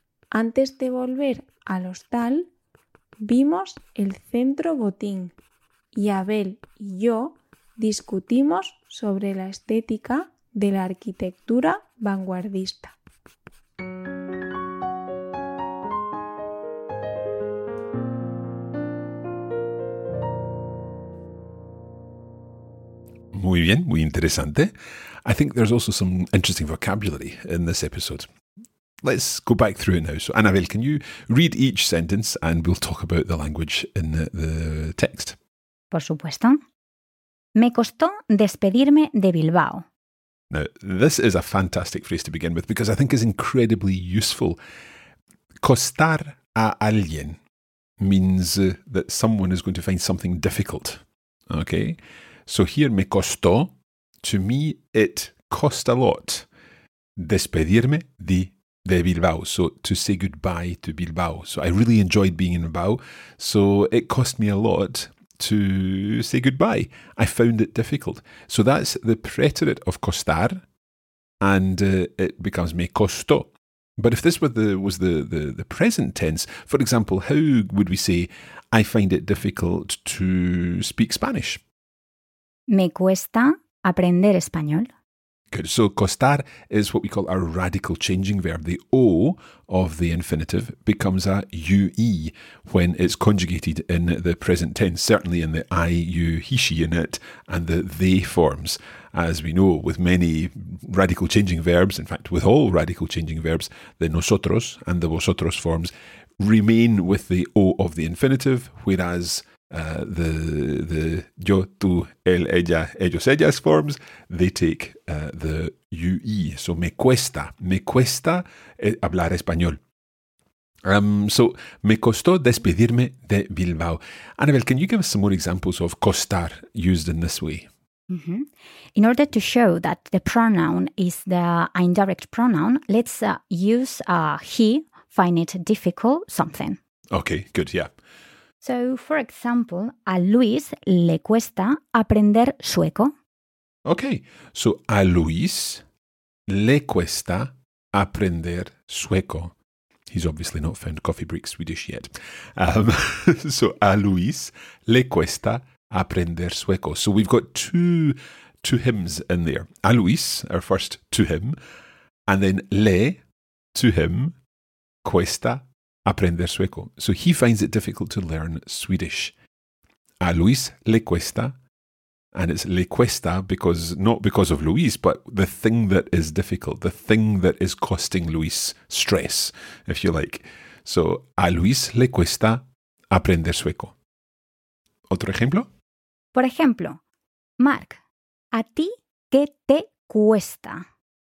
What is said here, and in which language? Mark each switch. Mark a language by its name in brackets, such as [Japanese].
[Spanish] Antes de volver al hostal, vimos el Centro Botín y Abel y yo discutimos sobre la estética de la arquitectura vanguardista. Muy bien, muy interesante. [English] I think there's also some interesting vocabulary in this episode. Let's go back through it now. So, Anabel, can you read each sentence and we'll talk about the language in the text? [Spanish] Por supuesto. Me costó despedirme de Bilbao. [English] Now, this is a fantastic phrase to begin with because I think it's incredibly useful. Costar a alguien means that someone is going to find something difficult. Okay? So here, [Spanish] me costó. [English] To me, it cost a lot. [Spanish] Despedirme de Bilbao. [English] So to say goodbye to Bilbao. So I really enjoyed being in Bilbao. So it cost me a lot to say goodbye. I found it difficult. So that's the preterite of costar. And it becomes [Spanish] me costó. [English] But if this were the present tense, for example, how would we say, I find it difficult to speak Spanish? [Spanish] Me cuesta aprender español. [English] Good. So costar is what we call a radical changing verb. The O of the infinitive becomes a UE when it's conjugated in the present tense, certainly in the I, you, he, she in it, and the they forms. As we know, with many radical changing verbs, in fact, with all radical changing verbs, the nosotros and the vosotros forms remain with the O of the infinitive, whereas the yo, tú, él, ella, ellos, ellas forms, they take the UE. [Spanish] So me cuesta hablar español. So me costó despedirme de Bilbao. [English] Annabel, can you give us some more examples of costar used in this way? Mm-hmm. In order to show that the pronoun is the indirect pronoun, let's use he, find it difficult, something. Okay, good, yeah. [Spanish] So, for example, a Luis le cuesta aprender sueco. Okay, so a Luis le cuesta aprender sueco. [English] He's obviously not found Coffee Break Swedish yet. So, [Spanish] a Luis le cuesta aprender sueco. [English] So we've got two hims in there. [Spanish] A Luis, [English] our first to him, and then le, to him, [Spanish] cuesta aprender sueco. [English] So he finds it difficult to learn Swedish. [Spanish] A Luis le cuesta, [English] and it's le cuesta because not because of Luis, but the thing that is difficult, the thing that is costing Luis stress, if you like. [Spanish] So a Luis le cuesta aprender sueco. Otro ejemplo. Por ejemplo, Mark, ¿a ti qué te cuesta?